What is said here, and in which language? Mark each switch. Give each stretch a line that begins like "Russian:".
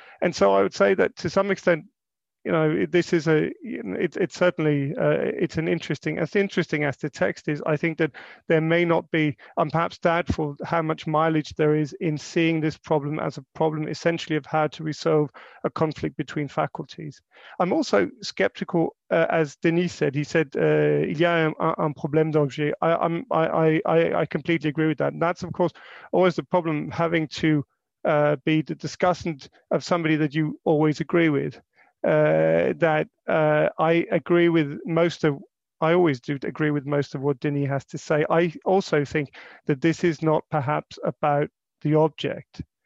English: And so I would say that to some extent, this is a it's certainly it's an interesting as interesting as the text is. I think that there may not be, I'm perhaps doubtful how much mileage there is in seeing this problem as a problem essentially of how to resolve a conflict between faculties. I'm also skeptical, as Denis said.
French: He said, "Il y a un problème d'objet."
English: I completely agree with that. And that's of course always the problem having to be the discussant of somebody that you always agree with. I agree with most of, I always do agree with most of what Denis has to say. I also think that this is not perhaps about the object.